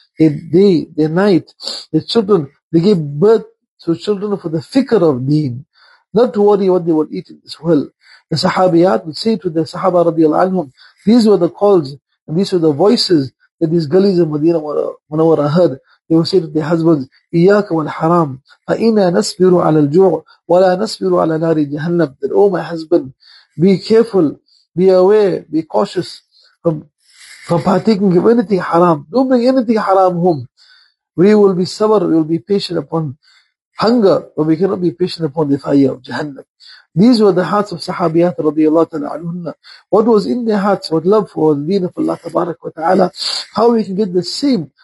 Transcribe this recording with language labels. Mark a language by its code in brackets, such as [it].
[en] The day, the night, the children, they gave birth to children for the fikr of deen, not to worry what they would eat in this world. The sahabiyat would say to the sahaba radiallahu anhum, these were the calls and these were the voices that these gullies of Madina Munawwara heard. They will say to their husbands, [ar] إِيَّاكَ وَالْحَرَامِ فَإِنَّا نَسْبِرُ عَلَى الْجُوعِ وَلَا نَسْبِرُ عَلَى نَارِ جَهَنَّمِ. [en] Then, oh my husband, be careful, be aware, be cautious from partaking of anything haram. Don't bring anything haram home. We will be sabr, we will be patient upon hunger, but we cannot be patient upon the fire of Jahannam. These were the hearts of Sahabiyat radiallahu ta'ala anhunna. What was in their hearts, what love for the deen of Allah tabarak wa ta'ala, how we can get the same.